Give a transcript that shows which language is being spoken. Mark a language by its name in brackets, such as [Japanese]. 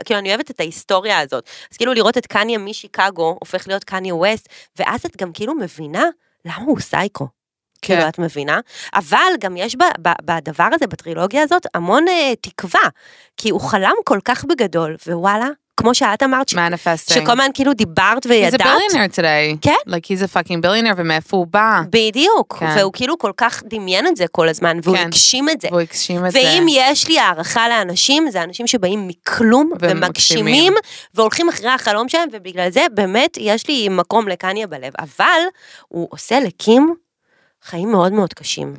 [Hebrew] כאילו, אני אוהבת את ההיסטוריה הזאת. אז כאילו לראות את קניה משיקגו, הופך להיות קניה ווסט, ואז את גם כאילו מבינה למה הוא סייקו. כן. כאילו את מבינה, אבל גם יש בדבר הזה, בטרילוגיה הזאת, המון תקווה, כי הוא חלם כל כך בגדול, ווואלה, כמו שאת אמרת, שכלמן כאילו דיברת וידעת. [English] He's a billionaire today. [Hebrew] כן? [English] Like he's a fucking billionaire, [Hebrew] ומאיפה הוא בא. בדיוק. כן. והוא כאילו כל כך דמיין את זה כל הזמן, והוא כן. הקשים את זה. והוא הקשים את זה. ואם יש לי הערכה לאנשים, זה אנשים שבאים מכלום, ומגשימים, והולכים אחרי החלום שלהם, ובגלל זה באמת יש לי מקום לקניה בלב, אבל הוא עושה לקים, חיים מאוד מאוד קשים.